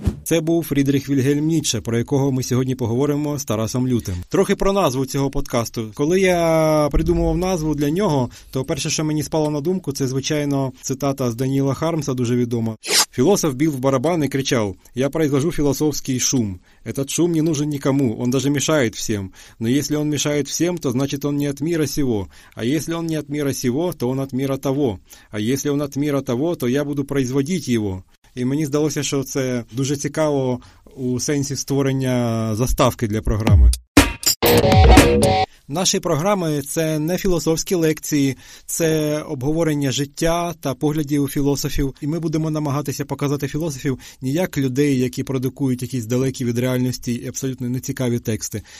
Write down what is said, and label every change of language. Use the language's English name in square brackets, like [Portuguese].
[Ukrainian] Це був Фрідріх Вільгельм Ніцше, про якого ми сьогодні поговоримо з Тарасом Лютим. Трохи про назву цього подкасту. Коли я придумував назву для нього, то перше, що мені спало на думку, це, звичайно, цитата з Даніла Хармса, дуже відома. Філософ бив в барабан і кричав: [Russian] «Я произвожу [Ukrainian] філософський шум. [Russian] Этот шум не нужен никому, он даже мешает всем. Но если он мешает всем, то значит он не от мира сего. А если он не от мира сего, то он от мира того. А если он от мира того, то я буду производить его». [Ukrainian] І мені здалося, що це дуже цікаво у сенсі створення заставки для програми. Наші програми – це не філософські лекції, це обговорення життя та поглядів філософів. І ми будемо намагатися показати філософів не як людей, які продукують якісь далекі від реальності і абсолютно нецікаві тексти.